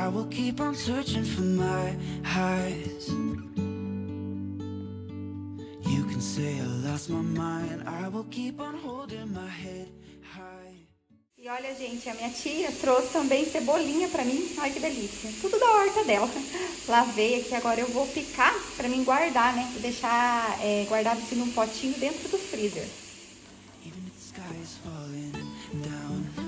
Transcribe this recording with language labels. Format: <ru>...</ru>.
<en>Keep on searching for my highs. You can say I lost my mind. I will keep on holding my head high.</en> <pt>E olha, gente, a minha tia trouxe também cebolinha pra mim. Olha que delícia. Tudo da horta dela. Lavei aqui, agora eu vou picar pra mim guardar, né? Vou deixar guardado assim num potinho dentro do freezer.</pt> <en>Even if the sky is falling down.</en>